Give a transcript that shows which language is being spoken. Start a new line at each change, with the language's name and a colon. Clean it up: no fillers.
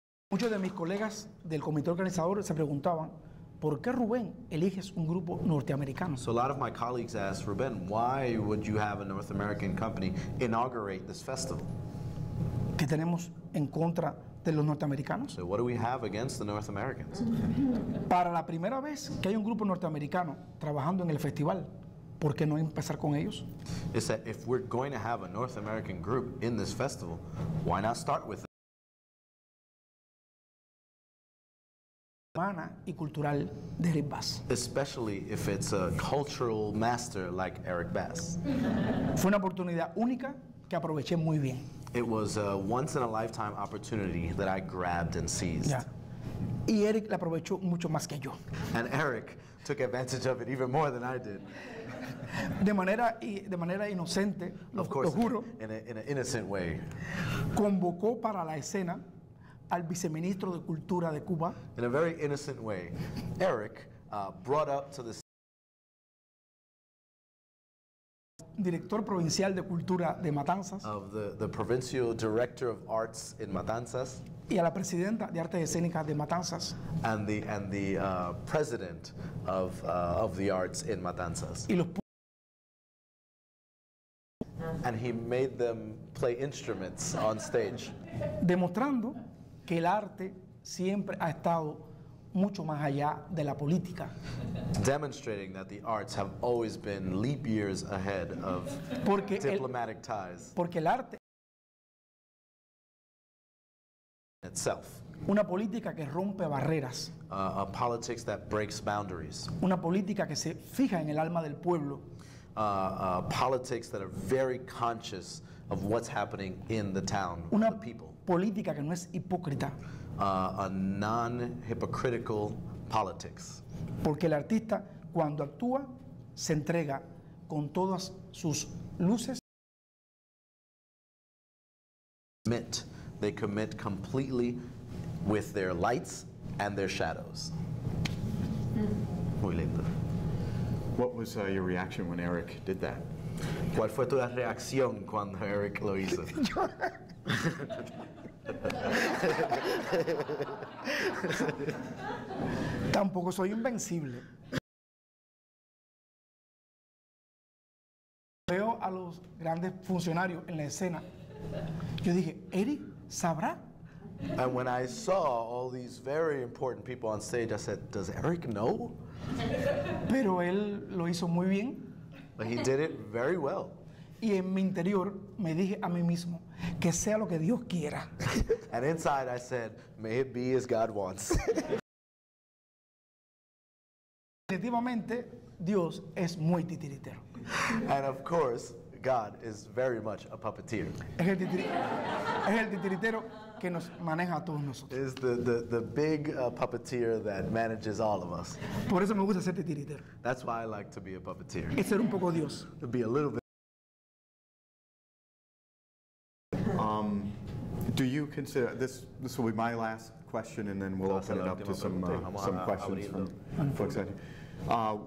Spanish: Muchos de mis colegas del comité organizador se preguntaban, ¿por qué Rubén eliges un grupo norteamericano?
English: So a lot of my colleagues asked, Rubén, why would you have a North American company inaugurate this festival?
Spanish: ¿Qué tenemos en contra de los norteamericanos?
English: So what do we have against the North Americans?
Spanish: Para la primera vez que hay un grupo norteamericano trabajando en el festival, ¿por qué no empezar con ellos?
English: Is that if we're going to have a North American group in this festival, why not start with them?
Spanish: Humana y cultural de Eric Bass.
English: Especially if it's a cultural master like Eric Bass.
Spanish: Fue una oportunidad única que aproveché muy bien.
English: It was a once-in-a-lifetime opportunity that I grabbed and seized. Yeah.
Spanish: Y Eric la aprovechó mucho más que yo.
English: And Eric took advantage of it even more than I did.
Spanish: De manera inocente, lo juro.
English: In an innocent way.
Spanish: Convocó para la escena al viceministro de Cultura de Cuba.
English: In a very innocent way, Eric brought up to the
Spanish: director provincial de cultura de Matanzas.
English: Of the provincial director of arts in Matanzas.
Spanish: Y a la presidenta de artes escénicas de Matanzas.
English: And the president of the arts in Matanzas.
Spanish: Y los
English: and he made them play instruments on stage.
Spanish: Demostrando que el arte siempre ha estado mucho más allá de la política.
English: Demonstrating that the arts have always been leap years ahead of
Spanish: porque
English: diplomatic ties.
Spanish: Porque el arte
English: itself.
Spanish: Una política que rompe barreras.
English: A politics that breaks boundaries.
Spanish: Una política que se fija en el alma del pueblo.
English: Politics that are very conscious of what's happening in the town,
Spanish: una
English: the people.
Spanish: Política que no es hipócrita.
English: A non-hypocritical politics.
Spanish: Porque el artista, cuando actúa, se entrega con todas sus luces.
English: They commit completely with their lights and their shadows.
Spanish: Muy lindo.
English: What was your reaction when Eric did that?
Spanish: ¿Cuál fue tu reacción cuando Eric lo hizo? Tampoco soy invencible. Veo a los grandes funcionarios en la escena. Yo dije, Eric, ¿sabrá?
English: And when I saw all these very important people on stage, I said, does Eric know?
Spanish: Pero él lo hizo muy bien.
English: But he did it very well.
Spanish: Y en mi interior me dije a mí mismo, que sea lo que Dios quiera.
English: And inside I said, may it be as God wants.
Spanish: Definitivamente, Dios es muy titiritero.
English: And of course, God is very much a puppeteer.
Spanish: Es el titiritero que nos maneja a todos nosotros.
English: Is the big puppeteer that manages all of us.
Spanish: Por eso me gusta ser titiritero.
English: That's why I like to be a puppeteer.
Spanish: Y ser un poco Dios.
English: To be a little bit. Do you consider, this will be my last question and then we'll open it up to some questions from folks out here.